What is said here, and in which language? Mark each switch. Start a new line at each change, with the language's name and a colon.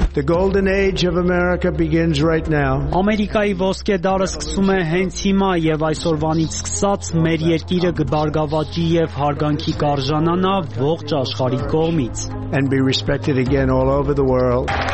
English: The golden age of America begins right now.
Armenian: Ամերիկայի ոսկե դարը սկսում է հենց հիմա եւ այսօրվանից սկսած մեր երկիրը գբարգավաճի եւ հարգանքի կարժանանա ողջ աշխարհի կողմից.
English: And be respected again all over the world.